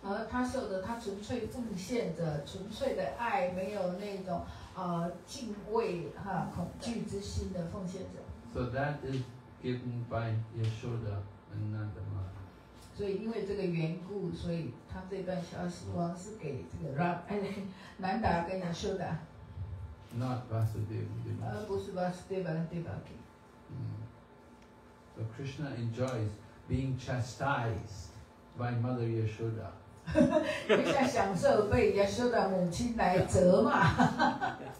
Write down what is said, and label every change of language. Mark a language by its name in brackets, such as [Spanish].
[Chinese] 他受的他纯粹奉献着纯粹的爱没有那种敬畏哈恐惧之心的奉献者。 [English] So that is given by Yashoda and Nandamara. [Chinese] 所以因为这个缘故所以他这段消息光是给这个南达跟 Yashoda. [English] Not Vasudeva. [Chinese] 不是 Vasudeva and Devaki. [English] So Krishna enjoys being chastised by Mother Yashoda. [Chinese] 就像享受被 Yashoda 母亲来责骂。